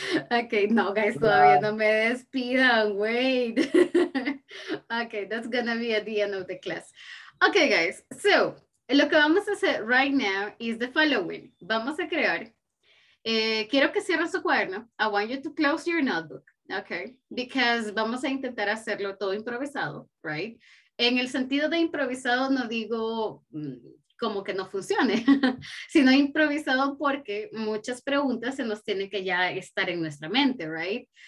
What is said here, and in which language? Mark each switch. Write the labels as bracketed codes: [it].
[es] Okay, no guys, todavía no me despido, wait. [en] Okay, that's gonna be at the end of the class. Okay guys, so, [es] lo que vamos a hacer [en] right now is the following. [es] Vamos a crear, quiero que cierres su cuaderno. [en] I want you to close your notebook. Okay, because [es] vamos a intentar hacerlo todo improvisado, [en] right? [es] En el sentido de improvisado no digo como que no funcione, sino improvisado porque muchas preguntas se nos tienen que ya estar en nuestra mente, right?